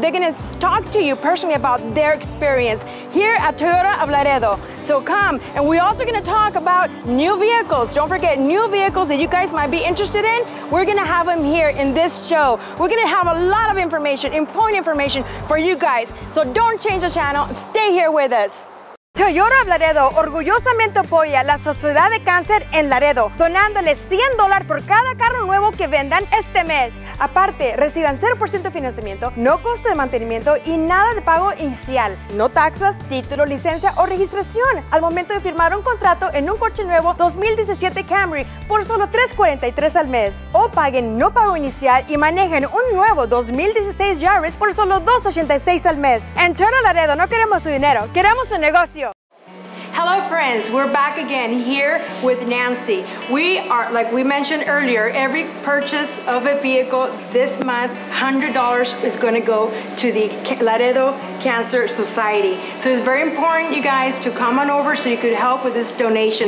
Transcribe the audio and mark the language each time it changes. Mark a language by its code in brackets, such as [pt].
[en] They're gonna talk to you personally about their experience here at Toyota of Laredo. So come, and we're also gonna talk about new vehicles. Don't forget, new vehicles that you guys might be interested in, we're gonna have them here in this show. We're gonna have a lot of information, important information for you guys. So don't change the channel, stay here with us. [es] Toyota of Laredo orgullosamente apoya la Sociedad de Cáncer en Laredo, donándole $100 por cada carro nuevo que vendan este mes. Aparte, reciban 0% de financiamiento, no costo de mantenimiento y nada de pago inicial. No taxas, título, licencia o registración al momento de firmar un contrato en un coche nuevo 2017 Camry por solo $3.43 al mes. O paguen no pago inicial y manejen un nuevo 2016 Yaris por solo $2.86 al mes. En Toyota Laredo no queremos su dinero, queremos su negocio. [en] Hello friends, we're back again here with Nancy. We are, like we mentioned earlier, every purchase of a vehicle this month, $100 is gonna go to the Laredo Cancer Society. So it's very important, you guys, to come on over so you could help with this donation.